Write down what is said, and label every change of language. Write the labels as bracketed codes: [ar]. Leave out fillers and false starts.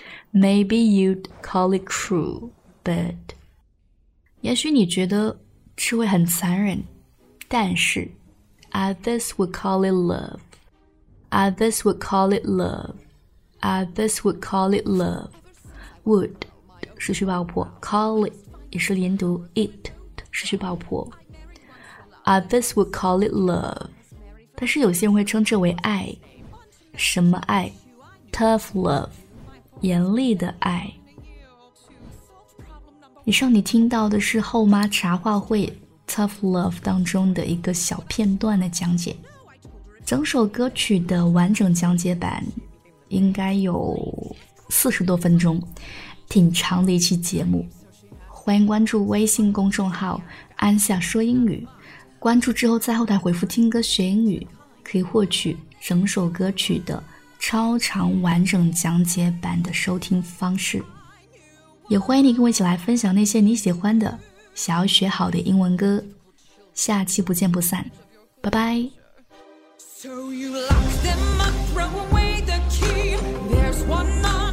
[en] maybe you'd call it cruel but [zh] 也许你觉得这会很残忍，但是 [en] others would call it love others would call it love others would call it love would 失去爆破 call it也是连读 it 失去爆破。 Others would call it love， [zh] 但是有些人会称之为爱。什么爱 ？ [en] Tough love， [zh] 严厉的爱。以上你听到的是后妈茶话会 Tough Love 当中的一个小片段的讲解。整首歌曲的完整讲解版应该有40多分钟，挺长的一期节目。欢迎关注微信公众号安夏说英语，关注之后在后台回复听歌学英语，可以获取整首歌曲的超长完整讲解版的收听方式。也欢迎你跟我一起来分享那些你喜欢的想要学好的英文歌。下期不见不散，拜拜。 [en] So you lock them up, throw away the key. There's one